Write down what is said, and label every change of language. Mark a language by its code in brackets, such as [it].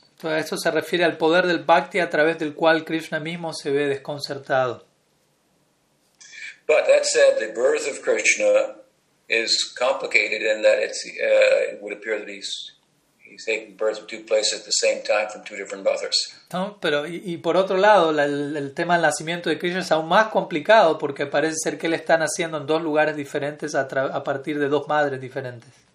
[es] Todo esto se refiere al poder del bhakti a través del cual Krishna mismo se ve desconcertado. [en] But that said, the birth of Krishna is complicated in that it would appear that he's taking birth from two places at the same time from two different mothers. [es] No, pero y por otro lado, el tema del nacimiento de Krishna es aún más complicado porque parece ser que él está naciendo en dos lugares diferentes a partir de dos madres diferentes.